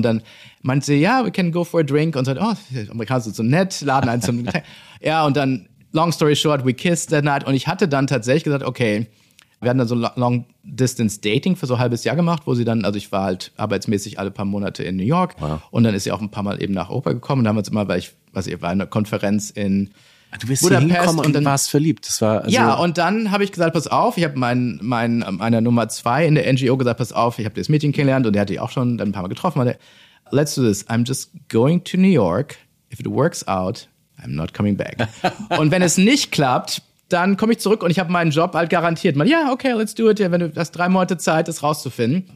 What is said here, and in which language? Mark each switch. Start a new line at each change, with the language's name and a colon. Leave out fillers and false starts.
German: Und dann meinte sie, ja,
English: we can go for a drink.
German: Und so, oh, Amerikaner sind so nett, laden einen zum ja, und dann,
English: long story short, we kissed that night.
German: Und ich hatte dann tatsächlich gesagt, okay, wir hatten dann so Long-Distance-Dating für so ein halbes Jahr gemacht, wo sie dann, also ich war halt arbeitsmäßig alle paar Monate in New York. Wow. Und dann ist sie auch ein paar Mal eben nach Europa gekommen. Und da haben wir uns immer, weil ich, weiß ich, war in einer Konferenz in Du bist Budapest hier hingekommen und dann warst verliebt. Das war also ja, und dann habe ich gesagt, pass auf, ich habe meiner Nummer zwei in der NGO gesagt, pass auf, ich habe das Mädchen kennengelernt und der hatte ich auch schon dann ein paar Mal getroffen. Und der,
English: let's do this, I'm just going to New York. If it works out, I'm not coming back.
German: Und wenn es nicht klappt, dann komme ich zurück und ich habe meinen Job halt garantiert. Ja,
English: yeah, okay, let's do it.
German: Ja, wenn du hast 3 Monate Zeit, das rauszufinden.